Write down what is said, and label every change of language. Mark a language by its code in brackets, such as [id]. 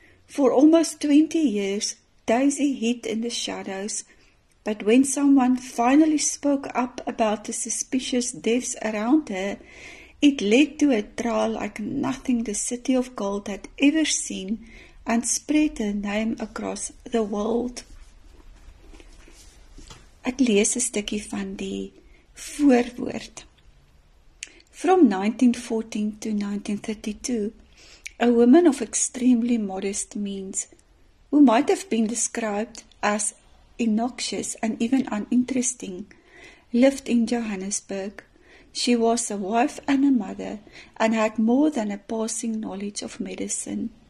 [en] For almost 20 years, Thuisie hid in the shadows, but when someone finally spoke up about the suspicious deaths around her, it led to a trial like nothing the City of Gold had ever seen and spread her name across the world. [af] Ek lees 'n stukkie van die voorwoord. [en] From 1914 to 1932, a woman of extremely modest means, who might have been described as innoxious and even uninteresting, lived in Johannesburg. She was a wife and a mother, and had more than a passing knowledge of medicine.